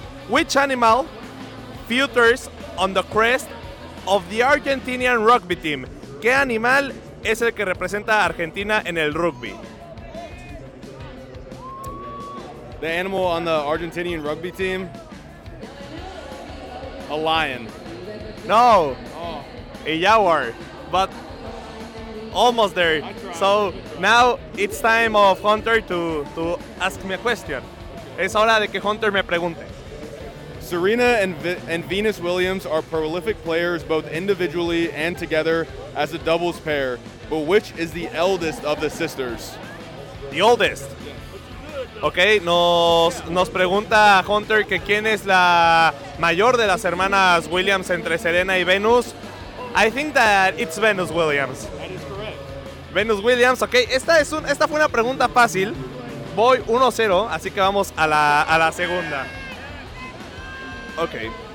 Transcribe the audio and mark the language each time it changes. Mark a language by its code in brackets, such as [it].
[en] Which animal features on the crest of the Argentinian rugby team? [es] ¿Qué animal es el que representa a Argentina en el rugby? [en] The animal on the Argentinian rugby team? A lion. No. Oh. A jaguar. But almost there. So now it's time of Hunter to ask me a question. Es hora de que Hunter me pregunte. Serena and Venus Williams are prolific players both individually and together as a doubles pair. But which is the eldest of the sisters? The oldest. [es] Okay, nos pregunta Hunter que quién es la mayor de las hermanas Williams entre Serena y Venus. [en] I think that it's Venus Williams. That is correct. [es] Venus Williams, okay. Esta fue una pregunta fácil. Voy 1-0, así que vamos a la segunda. Okay.